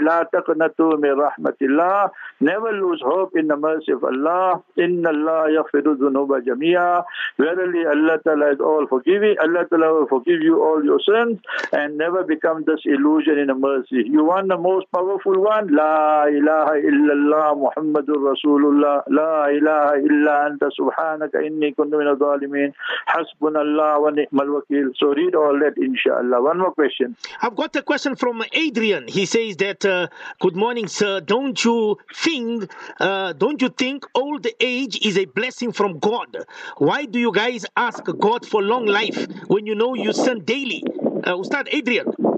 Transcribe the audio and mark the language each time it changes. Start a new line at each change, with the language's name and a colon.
Arabic: لا تقنطوا من رحمة الله.
English: Never lose hope in the mercy of Allah.
Arabic: إِنَّ اللَّهَ يَغْفِرُ ذُنُوبَ جَمِيعًا.
English: Verily, Allah Ta'ala is all forgiving. Allah Ta'ala will forgive you all your sins and never become this illusion in the mercy. You want the most powerful one?
Arabic: لا إله إلا الله محمد الرسول. لا إله إلا أنت سبحانك إني كنت من الظالمين حسبنا الله ونعم الوكيل.
English: So read all that, inshallah. One more question. I've got a question from Adrian. He says that, good morning, sir. Don't you think old age is a blessing from God? Why do you guys ask God for long life when you know you sin daily? Ustad Adrian.